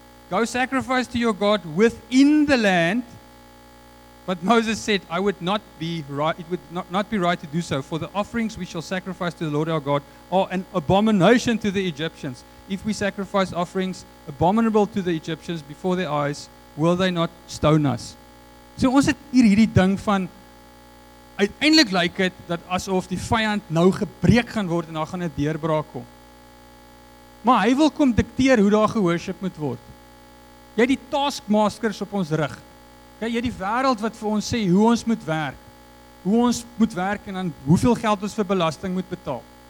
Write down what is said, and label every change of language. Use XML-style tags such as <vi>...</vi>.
<en>Go sacrifice to your God within the land. But Moses said, I would not be right, it would not be right to do so. For the offerings we shall sacrifice to the Lord our God are an abomination to the Egyptians. If we sacrifice offerings abominable to the Egyptians before their eyes, will they not stone us?</en> <af>So ons het hierdie ding van, uiteindelik lyk het, dat asof die vyand nou gebreek gaan word, en daar gaan 'n deurbraak kom. Maar hy wil kom dikteer hoe daar gehoorship moet word. Jy het die taskmasters op ons rug. Jy het die wêreld wat vir ons sê, hoe ons moet werk. Hoe ons moet werk, en dan hoeveel geld ons vir belasting moet betaal.</af>